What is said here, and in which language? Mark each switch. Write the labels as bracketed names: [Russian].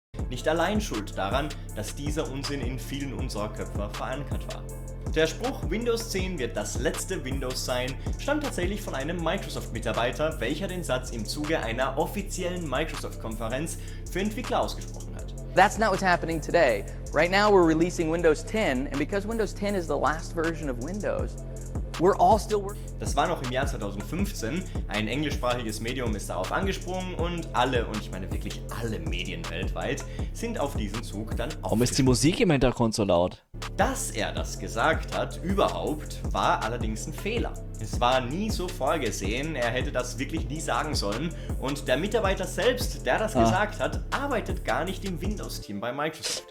[German] Nicht allein schuld daran, dass dieser Unsinn in vielen unserer Köpfe verankert war. Der Spruch Windows 10 wird das letzte Windows sein, stammt tatsächlich von einem Microsoft-Mitarbeiter, welcher den Satz im Zuge einer offiziellen Microsoft-Konferenz für Entwickler ausgesprochen hat. [English] That's not what's happening today. Right now we're releasing Windows 10, and because Windows 10 is the last version of Windows, we're all still working. [German] Das war noch im Jahr 2015, ein englischsprachiges Medium ist darauf angesprungen und alle, und ich meine wirklich alle Medien weltweit, sind auf diesen Zug dann auf. Warum ist die Musik im Hintergrund so laut? Dass er das gesagt hat, überhaupt, war allerdings ein Fehler. Es war nie so vorgesehen, er hätte das wirklich nie sagen sollen und der Mitarbeiter selbst, der das gesagt hat, arbeitet gar nicht im Windows-Team bei Microsoft.